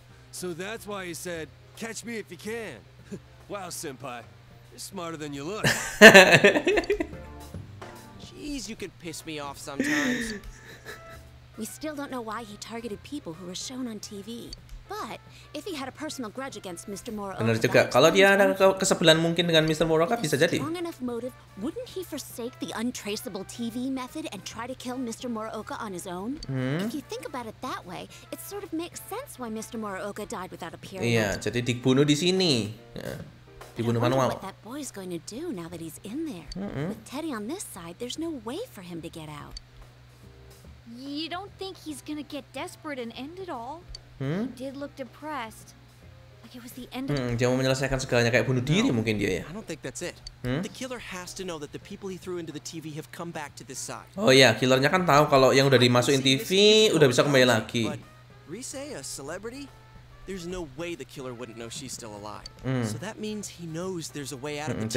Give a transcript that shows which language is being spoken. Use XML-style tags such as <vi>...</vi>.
<en>So that's why he said catch me if you can. Wow, senpai, you're smarter than you look. Jeez, you can piss me off sometimes. We still don't know why he targeted people who were shown on TV. But if he had a personal grudge against Mr. Moroka,</en> <id>benar juga. Kalau dia ada kesebelan mungkin dengan Mr. Moroka, bisa jadi.</id> <en>Strong enough motive, wouldn't he forsake the untraceable TV method and try to kill Mr. Moroka on his own? If you think about it that way, it sort of makes sense why Mr. Moroka died without a parent.</en> <id>Iya, jadi dibunuh di sini. Dibunuh manual.</id> <en>What that boy's going to do now that he's in there? With Teddy on this side, there's no way for him to get out. You don't think he's gonna get desperate and end it all? He did look depressed. Like it was the end of</en> <id>dia mau menyelesaikan segalanya kayak bunuh diri mungkin dia ya.</id> <en>I don't think that's it. The killer has to know that the people he threw into the TV have come back to this side.</en> <id>Oh iya, killernya kan tahu kalau yang udah dimasukin TV udah bisa kembali lagi.</id> <en>Risa, a celebrity? There's no way the killer wouldn't know she's still alive. So that means he knows there's a way out of the TV.</en>